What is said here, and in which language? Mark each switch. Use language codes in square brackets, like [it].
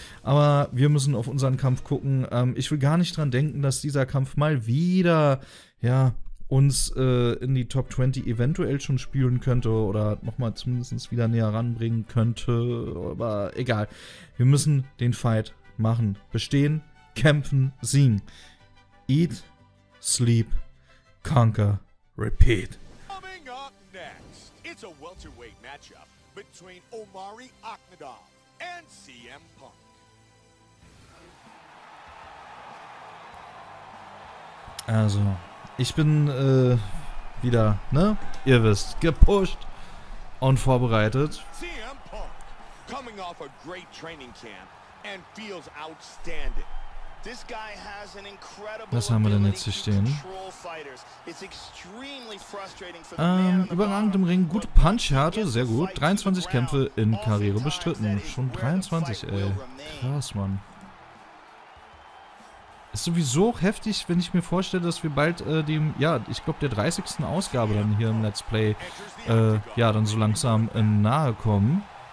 [de] Aber wir müssen auf unseren Kampf gucken. Ich will gar nicht dran denken, dass dieser Kampf mal wieder uns in die Top 20 eventuell schon spielen könnte oder nochmal zumindest wieder näher ranbringen könnte. Aber egal. Wir müssen den Fight machen. Bestehen, kämpfen, siegen. [en] Eat, sleep, conquer. Repeat. Coming up next, it's a welterweight matchup between Omari Akhmedov and CM Punk. [de] Also, ich bin wieder, ne? Ihr wisst, gepusht und vorbereitet. [en] CM Punk, coming off a great training camp and feels outstanding. This guy has an incredible ability to control fighters. It's extremely frustrating for the man. [de] Überragend im Ring, gute Punch-Härte, sehr gut. 23 Kämpfe in Karriere bestritten. Schon 23, ey. Krass, Mann. Ist sowieso heftig, wenn ich mir vorstelle, dass wir bald der 30. Ausgabe dann hier im Let's Play dann so langsam nahe kommen.